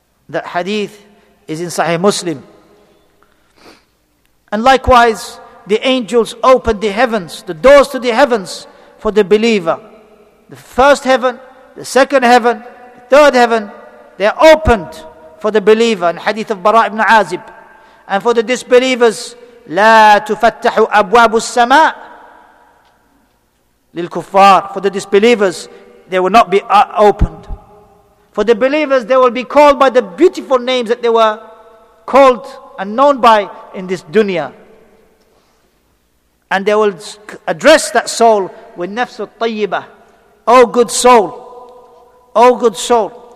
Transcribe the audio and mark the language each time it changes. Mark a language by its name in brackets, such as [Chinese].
[English] That hadith is in Sahih Muslim. And likewise, the angels opened the heavens, the doors to the heavens for the believer. The first heaven, the second heaven, the third heaven, they are opened for the believer. In hadith of Bara' ibn Azib. And for the disbelievers, [Arabic] لَا تُفَتَّحُ أَبْوَابُ السَّمَاءِ للكفار. [English] For the disbelievers, they will not be opened. For the believers, they will be called by the beautiful names that they were called and known by in this dunya. And they will address that soul with nafsu tayyiba. Oh good soul. Oh good soul.